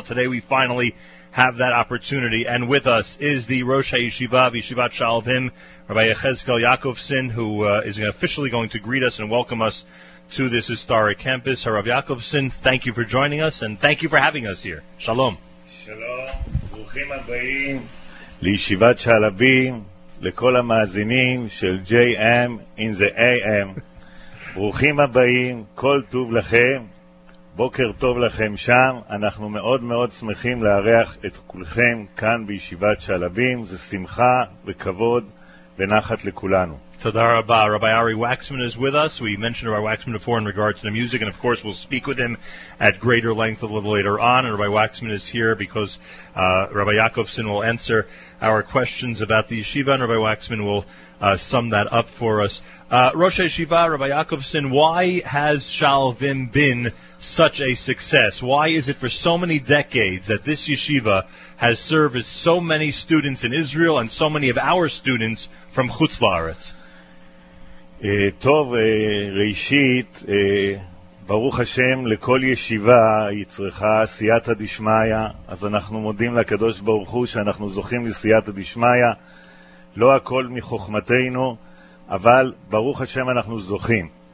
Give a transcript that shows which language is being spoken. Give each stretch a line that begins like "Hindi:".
English: Today we finally have that opportunity, and with us is the Rosh HaYeshiva of Yeshivat Sha'alvim, Rabbi Yechezkel Yaakovson, who is officially going to greet us and welcome us to this historic campus. Rabbi Yaakovson, thank you for joining us, and thank you for having us here. Shalom. Shalom.
Hebrew: ברוכים הבאים לישיבת שלבים, לכל המאזינים של JM in the AM. ברוכים הבאים, כל טוב לכם, בוקר טוב לכם שם. אנחנו מאוד מאוד שמחים לארח את כולכם כאן בישיבת שלבים. זה שמחה וכבוד ונחת לכולנו. תודה רבה. רבי ארי וקסמן
English: is with us. We mentioned Rabbi Waxman before in regard to the music, and of course we'll speak with him at greater length a little later on. And Rabbi Waxman is here because Rabbi Yaakovson will answer our questions about the yeshiva, and Rabbi Waxman will sum that up for us. Rosh HaYeshiva, Rabbi Yaakovson, why has Sha'alvim been such a success? Why is it for so many decades that this yeshiva has served so many students in Israel and so many of our students from Chutz La'aretz?
Hebrew: טוב, ראשית, ברוך השם, לכל ישיבה היא צריכה סייעתא דשמיא, אז אנחנו מודים לקדוש ברוך הוא שאנחנו זוכים לסייעתא דשמיא. לא הכל מחוכמתנו, אבל ברוך השם אנחנו זוכים.